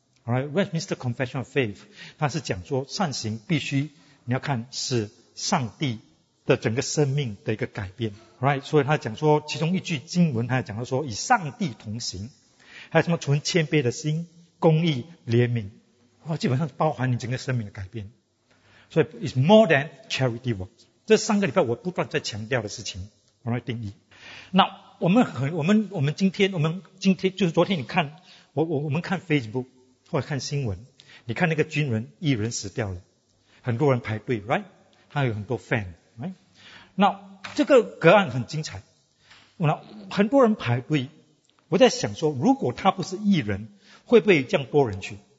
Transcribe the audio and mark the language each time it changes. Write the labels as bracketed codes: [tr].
[zh] Alright, [en] Westminster Confession of Faith, [zh] 它是讲说善行必须你要看是上帝的整个生命的一个改变。 Alright, 所以它讲说其中一句经文它讲到说以上帝同行，还有什么存谦卑的心，公义怜悯，哇，基本上包含你整个生命的改变。所以 [en] it's more than charity work. [zh] 这三个礼拜我不断在强调的事情 ,Alright, 定义。那我们今天就是昨天你看我们看 Facebook,或者看新闻，你看那个军人一人死掉了，很多人排队 ，right？他有很多 fan， right？ 那这个个案很精彩，那很多人排队，我在想说，如果他不是一人，会不会这样多人去？